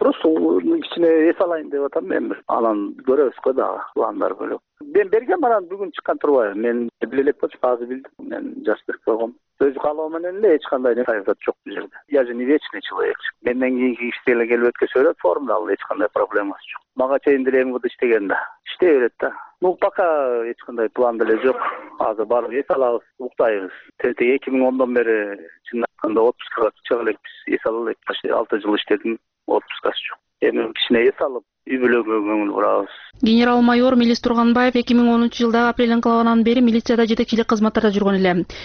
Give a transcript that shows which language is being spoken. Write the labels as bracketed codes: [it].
[ky] Просто кичине эс алайын деп атам мен. Анан көрөбүз го дагы пландар бөлөк. Мен бергем анан бүгүн чыккан турбайбы. Мен биле элек болчу, азыр билдим. Мен жазып берип койгом. Өз каалоо менен эле эч кандай саясат жок бул жерде. [ru] Я же не вечный человек. [ky] Менден кийинки кишилер эле келип өткөрөт форумду, ал эч кандай проблемасы жок. Мага чейин деле МВД иштеген да. Иштей берет да. [ru] Ну пока [ky] эч кандай план деле жок. Азыр барып эс алабыз, уктайбыз. Тете 2010 бери чындап айтканда 30 чыга элекпиз. Эс ала элек, 6 жыл иштедим, 30 жок. Эми кичине эс алып үй бүлөгө көңүл бурабыз. Генерал майор Мелис Турганбаев 2010 жылда апрель аңкалагынан бери милицияда жетекчилик кызматтарда жүргөн эле.